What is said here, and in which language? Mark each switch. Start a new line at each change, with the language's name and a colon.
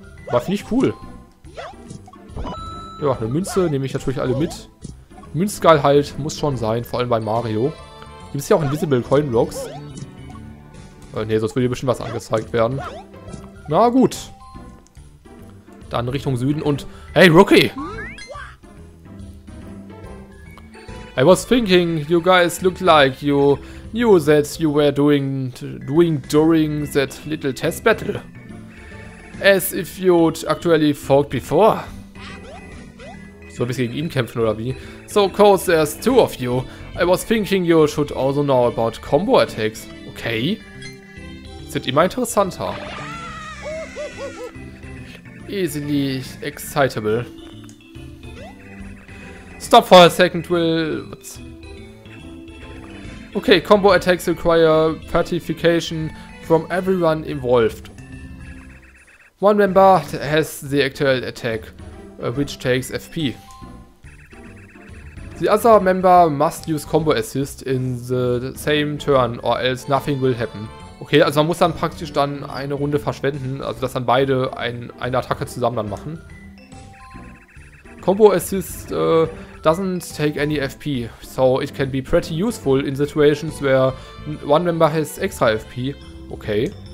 German: War, finde ich cool. Ja, eine Münze nehme ich natürlich alle mit. Münzgeil halt, muss schon sein, vor allem bei Mario. Gibt es hier auch Invisible Coin Blocks? Ne, sonst würde hier bestimmt was angezeigt werden. Na gut. Dann Richtung Süden und...
English: Hey, Rookie! I was thinking, you guys look like you knew that you were doing during that little test battle. As if you'd actually fought before.
German: Sollen wir gegen ihn kämpfen oder wie?
English: So, of course, there's two of you. I was thinking you should also know about combo attacks.
German: Okay. Sind immer interessanter.
English: Easily excitable. Stop for a second, okay, combo attacks require participation from everyone involved. One member has the actual attack, which takes FP. The other member must use combo assist in the same turn or else nothing will happen.
German: Okay, also man muss dann praktisch dann eine Runde verschwenden, also dass dann beide eine Attacke zusammen dann machen.
English: Combo assist doesn't take any FP, so it can be pretty useful in situations where one member has extra FP. Okay.